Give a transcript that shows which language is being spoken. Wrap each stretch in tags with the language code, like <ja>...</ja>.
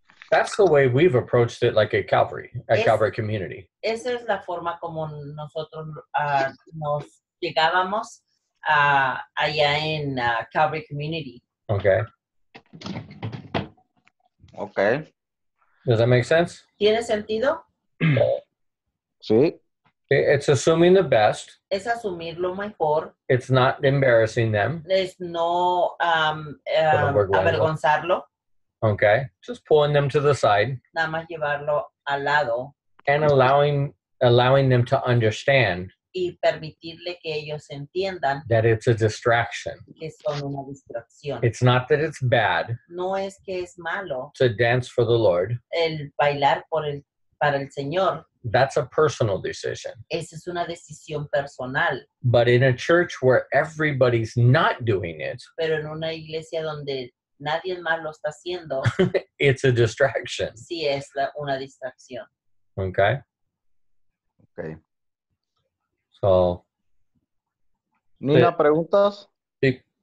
<en>That's the way we've approached it like a Calvary, Calvary community.</en> <es>Esa es la forma como nosotros nos llegábamos allá en Calvary community. Okay. Okay.</es> <en>Does that make sense?</en> <es>¿Tiene sentido? Sí.</es> <en>It's assuming the best.</en> <es>Es asumir lo mejor.</es> <en>It's not embarrassing them.</en> <es>Es no avergonzarlo.</es> <en>Okay. Just pulling them to the side.</en> <es>Nada más llevarlo al lado.</es> <en>And allowing them to understand.</en> <es>Y permitirle que ellos entiendan.</es> <en>That it's a distraction.</en> <es>Que son una distracción.</es> <en>It's not that it's bad.</en> <es>No es que es malo.</es> <en>To dance for the Lord.</en> <es>El bailar por el para el Señor.</es> <en>That's a personal decision.</en> <es>Esa es una decisión personal.</es> <en>But in a church where everybody's not doing it,</en> <es>pero en una iglesia donde nadie más lo está haciendo,</es> <en>it's a distraction.</en> <es>Sí, es la, una distracción. Okay. Okay. So. Nina, preguntas. Sí.</es>